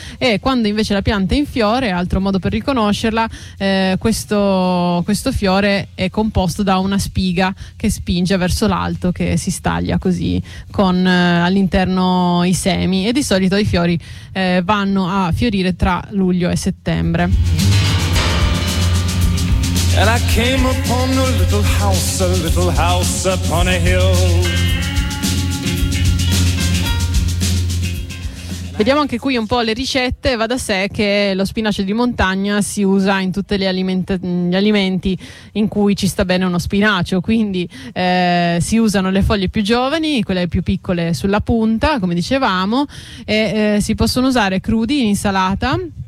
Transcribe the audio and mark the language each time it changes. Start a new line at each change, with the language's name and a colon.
Italian: E quando invece la pianta è in fiore, altro modo per riconoscerla, questo fiore è composto da una spiga che spinge verso l'alto, che si staglia così con all'interno i semi, e di solito i fiori vanno a fiorire tra luglio e settembre.
English: And I came upon a little house upon a hill.
Italian: Vediamo anche qui un po' le ricette. Va da sé che lo spinaci di montagna si usa in tutti gli alimenti in cui ci sta bene uno spinacio, quindi si usano le foglie più giovani, quelle più piccole sulla punta, come dicevamo, e si possono usare crudi in insalata,